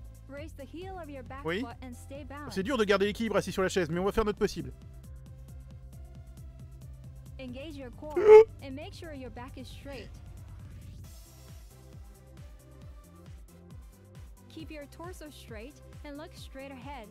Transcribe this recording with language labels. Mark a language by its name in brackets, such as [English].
[English] Raise the heel of your back foot and stay balanced. [French] C'est dur de garder l'équilibre assis sur la chaise, mais on va faire notre possible. [English] Engage your core and make sure your back is straight. Keep your torso straight and look straight ahead.